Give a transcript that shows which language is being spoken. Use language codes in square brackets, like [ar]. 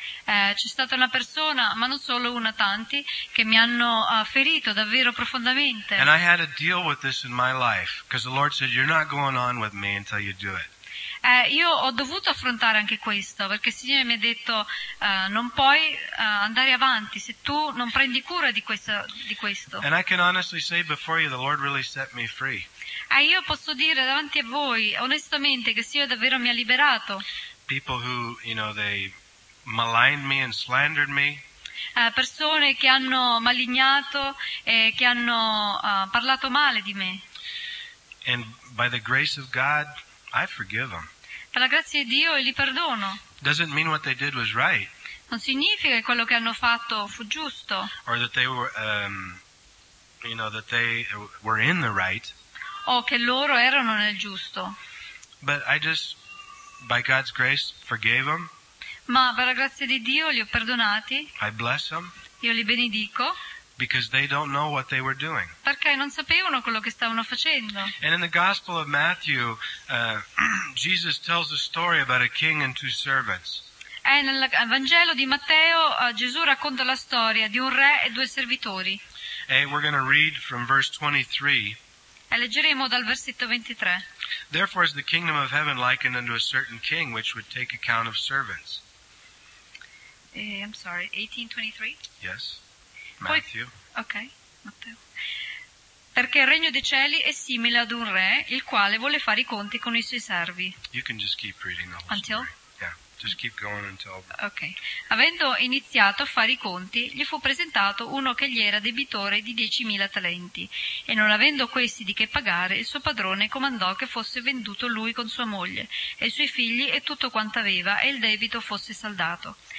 [it] C'è stata una persona, ma non solo una, tanti, che mi hanno ferito davvero profondamente. [en] And I had to deal with this in my life, because the Lord said, you're not going on with me until you do it. [it] Io ho dovuto affrontare anche questo, perché il Signore mi ha detto, non puoi andare avanti se tu non prendi cura di questo. [en] And I can honestly say before you, the Lord really set me free. [it] Io posso dire davanti a voi, onestamente, che il Signore davvero mi ha liberato. [en] People who, you know, they maligned me and slandered me. [it] Persone che hanno malignato e che hanno parlato male di me. [en] And by the grace of God, I forgive them. [it] Per la grazia di Dio li perdono. [en] Doesn't mean what they did was right. [it] Non significa che quello che hanno fatto fu giusto. [en] Or that they were, you know, that they were in the right. [it] O che loro erano nel giusto. [en] But I just, by God's grace, forgave them. [it] Ma per la grazia di Dio li ho perdonati. [en] I bless them. [it] Io li benedico. [en] Because they don't know what they were doing. [it] Perché non sapevano quello che stavano facendo. [en] And in the Gospel of Matthew, Jesus tells a story about a king and two servants. [it] E nel Vangelo di Matteo, Gesù racconta la storia di un re e due servitori. [en] And we're going to read from verse 23. [it] E leggeremo dal versetto 23. [en] Therefore is the kingdom of heaven likened unto a certain king which would take account of servants. I'm sorry, 18:23? Yes. Matthew. Okay. Matthew. [it] Perché il regno dei cieli è simile ad un re il quale vuole fare i conti con i suoi servi. [en] You can just keep reading the whole until? Story. Yeah, just keep going until. Okay. [it] Avendo iniziato a fare i conti, gli fu presentato uno che gli era debitore di 10.000 talenti. E non avendo questi di che pagare, il suo padrone comandò che fosse venduto lui con sua moglie e i suoi figli e tutto quanto aveva, e il debito fosse saldato.